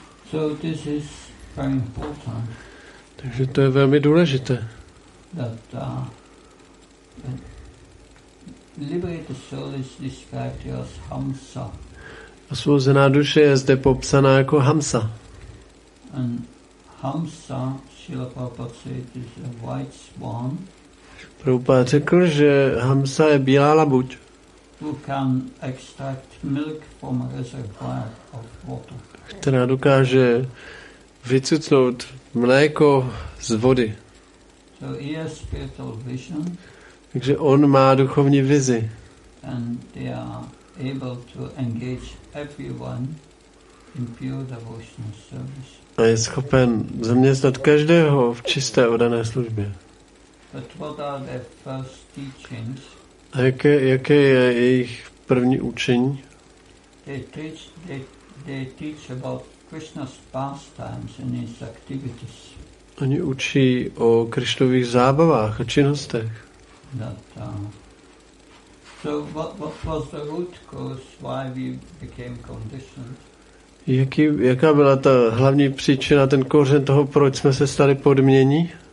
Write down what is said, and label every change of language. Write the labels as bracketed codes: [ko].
[en] So this is very important. [cs] Takže to je velmi důležité. [en] That liberated soul is described as Hamsa. [cs] Osvobozená duše je zde popsaná jako Hamsa. [en] And Hamsa, Srila Prabhupada said, is a white swan. [cs] Prabhupada řekl, že Hamsa je bílá labuť. [en] Who can extract milk from a reservoir of water. [cs] Která dokáže vycucnout mléko z vody. [en] So he has spiritual vision. [cs] Takže on má duchovní vizi. [en] And they are able to engage everyone in pure devotional service. [cs] A je schopen zaměstnat každého v čisté oddané službě. [en] But what are their first teachings? [cs] A jaké je jejich první učení? [en] They teach about Krishna's pastimes and his activities. [cs] Oni učí o Krišnových zábavách a činnostech. [en] So what was the root cause why we became conditioned? [cs] Jaká byla ta hlavní příčina, ten kořen toho, proč jsme se stali podmění?